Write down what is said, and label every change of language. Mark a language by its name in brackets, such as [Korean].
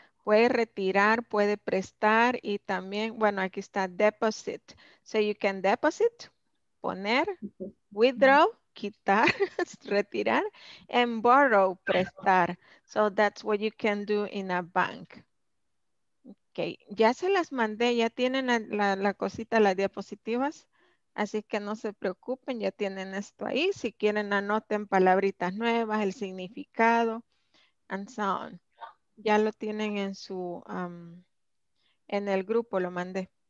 [Spanish] Puede retirar, puede prestar, y también, bueno, aquí está deposit. [English] So you can deposit, poner, withdraw, [Spanish] quitar, retirar, [English] and borrow, prestar. So that's what you can do in a bank. [Spanish] Okay, ya se las mandé, ya tienen la cosita, las diapositivas. Así que no se preocupen, ya tienen esto ahí. Si quieren, anoten palabritas nuevas, el significado, [English] and so on. [Spanish] Ya lo tienen en su, en el grupo, lo mandé.